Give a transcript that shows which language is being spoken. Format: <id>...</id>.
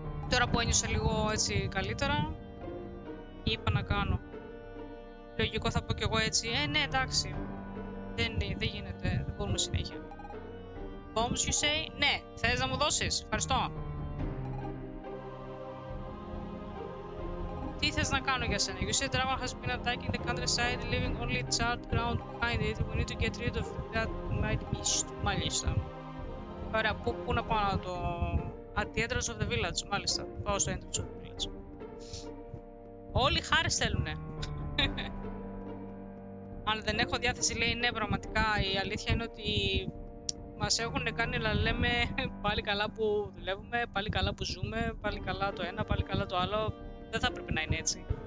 <el>Τώρα που ένιωσα λίγο έτσι καλύτερα, είπα να κάνω. Λογικό θα πω κι εγώ έτσι, ναι εντάξει. Δεν γίνεται, δεν μπορούμε συνέχεια. Bombs you say, ναι, θες να μου δώσεις, ευχαριστώ.</el> <en>Τι θες να κάνω για σένα, you say dragon has been attacking the countryside, leaving only charred ground behind it, we need to get rid of that might be μάλιστα.</en> <el>Ωραία, πού να πάω να το... At the entrance of the village, μάλιστα. Πάω στο entrance of the village. Όλοι χάρη θέλουνε. Αν δεν έχω διάθεση, λέει ναι, πραγματικά. Η αλήθεια είναι ότι μας έχουν κάνει να λέμε πάλι καλά που δουλεύουμε, πάλι καλά που ζούμε, πάλι καλά το ένα, πάλι καλά το άλλο. Δεν θα πρέπει να είναι έτσι.</el>